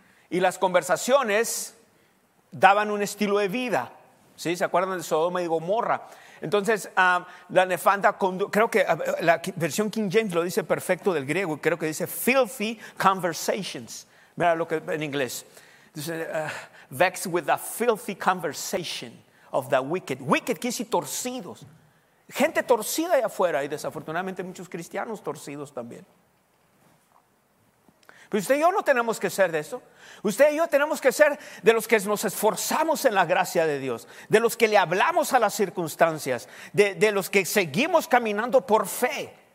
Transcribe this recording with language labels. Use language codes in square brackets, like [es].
[es] Y las conversaciones daban un estilo de vida. ¿Sí? ¿Se acuerdan de Sodoma y Gomorra? Entonces, la nefanda conducta, creo que la versión King James lo dice perfecto del griego, creo que dice [en] filthy conversations. [es] Mira lo que en inglés. Dice, [en] vexed with the filthy conversation of the wicked. [es] Wicked quiere decir torcidos. Gente torcida allá afuera y desafortunadamente muchos cristianos torcidos también. Pero usted y yo no tenemos que ser de eso. Usted y yo tenemos que ser de los que nos esforzamos en la gracia de Dios, de los que le hablamos a las circunstancias, de los que seguimos caminando por fe.